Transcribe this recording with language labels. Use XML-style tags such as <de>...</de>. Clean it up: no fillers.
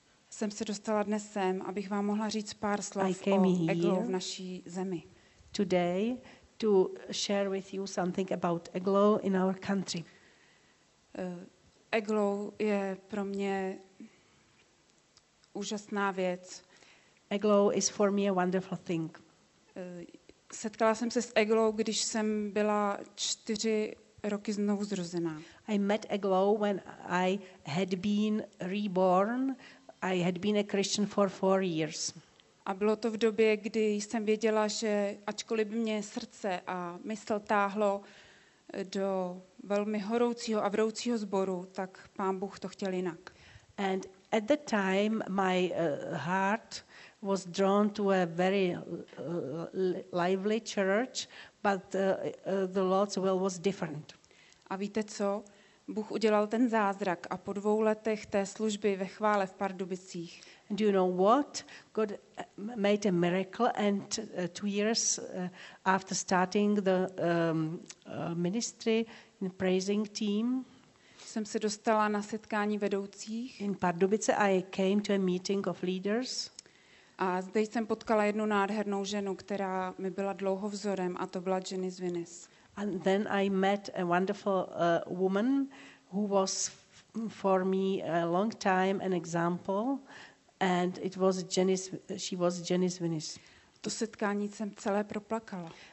<cs>jsem se dostala dnes sem, abych vám mohla říct pár slov o Eglow v naší zemi.</cs> <en>Today to share with you something about Eglow in our country.</en> <cs>Eglow je pro mě úžasná věc.</cs> <en>Eglow is for me a wonderful thing.</en> <cs>Setkala jsem se s Eglow, když jsem byla 4 roky znovu zrozená.</cs> <en>I met Eglow when I had been reborn. I had been a Christian for 4 years.</en> <cs>A bylo to v době, kdy jsem věděla, že ačkoliv by mě srdce a mysl táhlo do velmi horoucího a vroucího sboru, tak Pán Bůh to chtěl jinak.</cs> <en>And At that time my heart was drawn to a very lively church, but the Lord's will was different.</en> <cs>A víte co? Bůh udělal ten zázrak a po dvou letech té služby ve chvále v Pardubicích.</cs> <en>Do you know what? God made a miracle and 2 years after starting the ministry in praising team.</en> <cs>Jsem se dostala na setkání vedoucích.</cs> <en>In Pardubice I came to a meeting of leaders.</en> <cs>A zde jsem potkala jednu nádhernou ženu, která mi byla dlouho vzorem, a to byla Jenny z Venice.</cs> <en>And then I met a wonderful woman who was for me a long time an example, and it was Jenny. She was Jenny z Venice.</en> <cs>To setkání jsem celé proplakala.</cs>